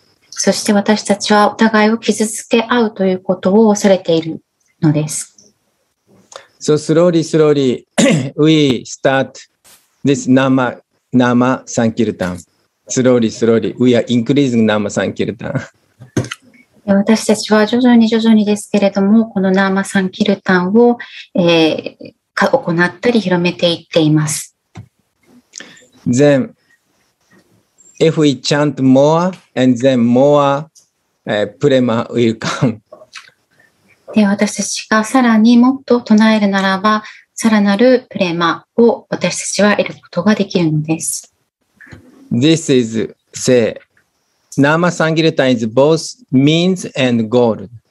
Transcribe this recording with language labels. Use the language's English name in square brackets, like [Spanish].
[Japanese] そして私たちはお互いを傷つけ合うということを恐れているのです。 [English] So slowly, slowly, we start this Nama Sankirtan. Slowly, slowly, we are increasing Nama Sankirtan. [Japanese] 私たちは徐々に徐々にですけれども、この Nama Sankirtan を、行ったり広めていっています。 [English] Then,If we chant more, and then more prema will come. [Japanese] で、私たちがさらにもっと唱えるならば、さらなるプレマを私たちは得ることができるのです。 [English] This is say, Nama Sankirtan is both means and goal.